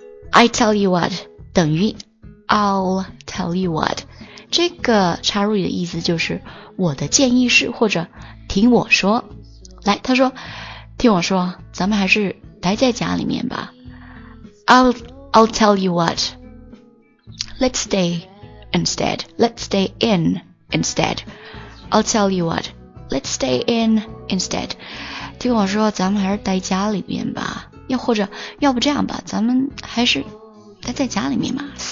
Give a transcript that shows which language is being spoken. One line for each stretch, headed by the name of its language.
English: I tell you what
Chinese: 等于
English: I'll tell you what
Chinese: 这个插入语的意思就是我的建议是或者听我说来他说听我说咱们还是待在家里面吧
English: I'll tell you what Let's stayInstead, let's stay in instead. I'll tell you what, let's stay in instead.
Chinese: 听我说，咱们还是待家里面吧。又或者，要不这样吧，咱们还是待在家里面嘛。